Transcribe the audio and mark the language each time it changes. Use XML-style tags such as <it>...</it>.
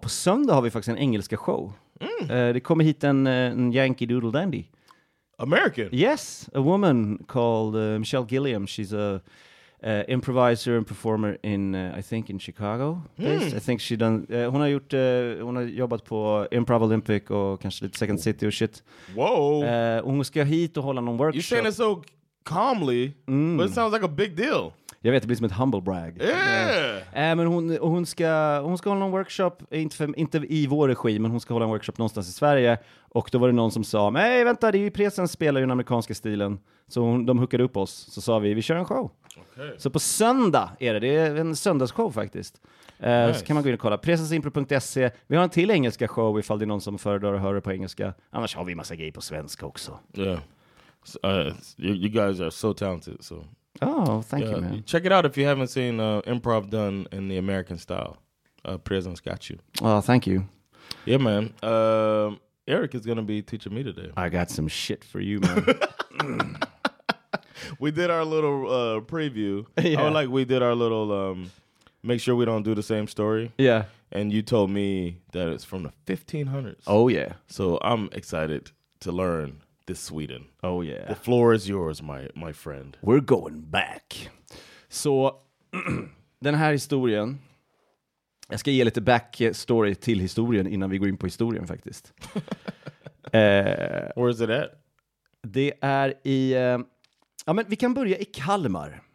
<sv>På söndag har vi faktiskt en engelska show. Mm. Det kommer hit en Yankee Doodle Dandy.</sv> <en>American? Yes, a woman called Michelle Gilliam. She's a... improviser and performer in I think in Chicago. I think she done</en> <sv>hon har gjort hon har jobbat på Improv Olympic och kanske lite Second City och shit. Whoa. Hon ska hit och hålla någon workshop.</sv> <en>You're saying it so calmly, but it sounds like a big deal.</en> <sv>Jag vet, det blir som ett humble brag.</sv> <en>Yeah.</en> <sv>Men hon ska hålla någon workshop, inte i vår regi, men hon ska hålla en workshop någonstans i Sverige. Och då var det någon som sa, nej vänta, det är ju Presen spelar ju den amerikanska stilen. Så de hookade upp oss. Så sa vi kör en show.</sv> <en>Okay.</en> <sv>Så på söndag är det. Det är en söndagsshow faktiskt.</sv> <en>Nice.</en> <sv>Så kan man gå in och kolla. Presensimpro.se. Vi har en till engelska show ifall det är någon som föredrar och hör på engelska. Annars har vi massa grejer på svenska också. Ja.</sv> <en>Yeah. You guys are so talented, so... Oh, thank you, man. Check it out if you haven't seen improv done in the American style. Presence got you. Oh, thank you. Yeah, man. Eric is going to be teaching me today. I got some shit for you, man. we did our little preview. Yeah. Or like we did our little make sure we don't do the same story. Yeah. And you told me that it's from the 1500s. Oh yeah. So I'm excited to learn this Sweden. Oh yeah. The floor is yours, my friend. We're going back.</en> <sv>Så den här historien, jag ska ge lite backstory till historien innan vi går in på historien faktiskt.</sv> <en>Where is it at?</en> <sv>Det är i, ja men vi kan börja i Kalmar.</sv>